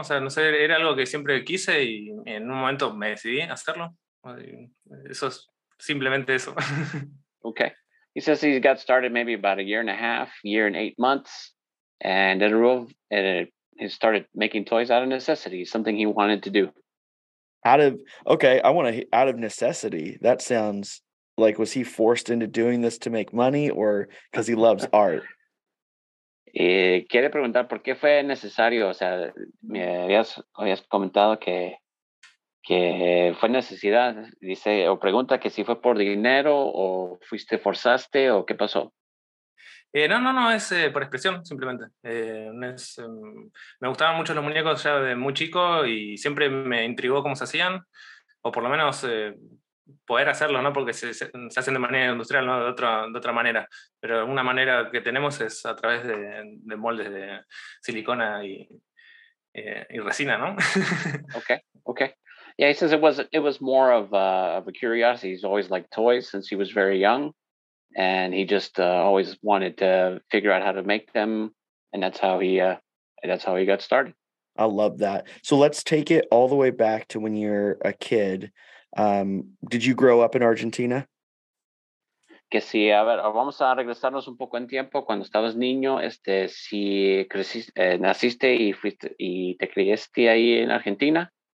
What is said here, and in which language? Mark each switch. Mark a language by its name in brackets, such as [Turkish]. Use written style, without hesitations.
[Spanish] O sea, no sé, era algo que siempre quise y en un momento me decidí a hacerlo. Eso es simplemente eso. Ok. [English] He says he got started maybe about a year and a half, year and 8 months, and he started making toys out of necessity, something he wanted to do. Out of necessity. That sounds like, was he forced into doing this to make money or because he loves art? [Spanish] Quiere preguntar por qué fue necesario. O sea, me habías comentado que fue necesidad, dice, o pregunta que si fue por dinero o fuiste, forzaste, o qué pasó. No, es por expresión, simplemente. Me gustaban mucho los muñecos ya de muy chico y siempre me intrigó cómo se hacían, o por lo menos poder hacerlo, ¿no? Porque se hacen de manera industrial, ¿no? De otra manera. Pero una manera que tenemos es a través de moldes de silicona y resina, ¿no? [English] Okay. Yeah, he says it was more of a curiosity. He's always liked toys since he was very young, and he just always wanted to figure out how to make them, and that's how he got started. I love that. So let's take it all the way back to when you're a kid. Did you grow up in Argentina? [Spanish] Que sí, a ver, vamos a regresarnos un poco en tiempo cuando estabas niño. Si creciste, naciste y fuiste y te criaste ahí en Argentina.